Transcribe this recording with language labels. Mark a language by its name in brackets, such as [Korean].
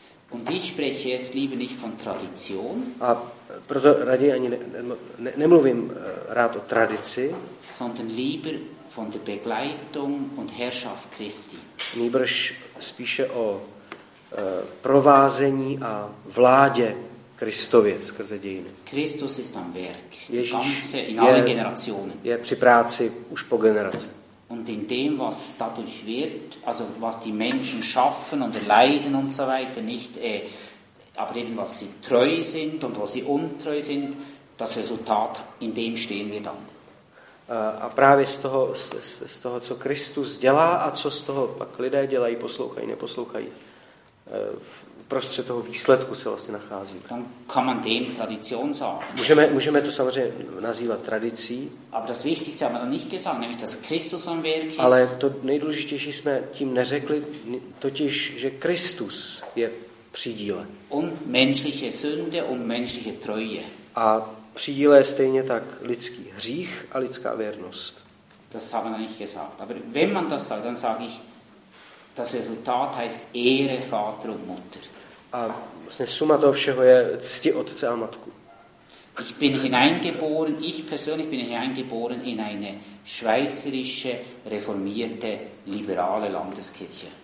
[German] Und ich spreche jetzt lieber nicht von Tradition. [Czech] A proto raději ani nemluvím rád o tradici, [German] sondern lieber von der Begleitung und Herrschaft Christi. [Czech] Nýbrž spíše o provázení a vládě Kristově skrze dějiny. [German] Christus ist am Werk. Ganze in allen Generationen. [Czech] Je při práci už po generace. [German] Und in dem was dadurch wird, also was die Menschen schaffen und erleiden und so weiter, nicht aber eben was sie treu sind und was sie untreu sind, das Resultat in dem stehen wir dann. [Czech] A právě z toho co Kristus dělá a co z toho pak lidé dělají, poslouchají, neposlouchají. Prostřed toho výsledku se vlastně nacházíme. [German] Dann kann man dem Tradition sagen. [Czech] Můžeme to samozřejmě nazývat tradicí. [German] Aber das Wichtigste haben wir noch nicht gesagt, nämlich dass Christus am Werk ist. [Czech] Ale to nejdůležitější jsme tím neřekli, totiž že Kristus je při díle. [German] Und menschliche Sünde und menschliche Treue. [Czech] A při díle je stejně tak lidský hřích a lidská věrnost. [German] Das haben wir nicht gesagt, aber wenn man das sagt, dann sage ich, das Resultat heißt Ehre Vater und Mutter. [Czech] A vlastně suma toho všeho je cti otce a matku. [German] Ich bin hineingeboren, ich persönlich bin hineingeboren in eine schweizerische reformierte liberale Landeskirche.